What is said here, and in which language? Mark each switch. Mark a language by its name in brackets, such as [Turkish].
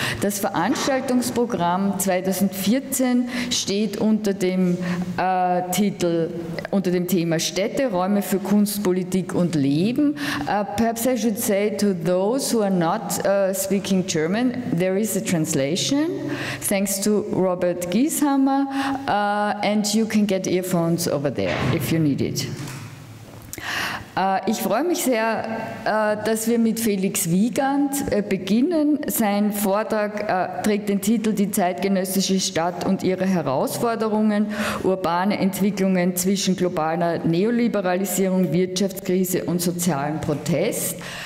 [German] Das Veranstaltungsprogramm 2014 steht unter dem Titel, unter dem Thema Städte, Räume für Kunst, Politik und Leben. [English] Perhaps I should say to those who are not speaking German, there is a translation, thanks to Robert Gieshammer, and you can get earphones over there if you need it. [German] Ich freue mich sehr, dass wir mit Felix Wiegand beginnen. Sein Vortrag trägt den Titel Die zeitgenössische Stadt und ihre Herausforderungen, urbane Entwicklungen zwischen globaler Neoliberalisierung, Wirtschaftskrise und sozialem Protest.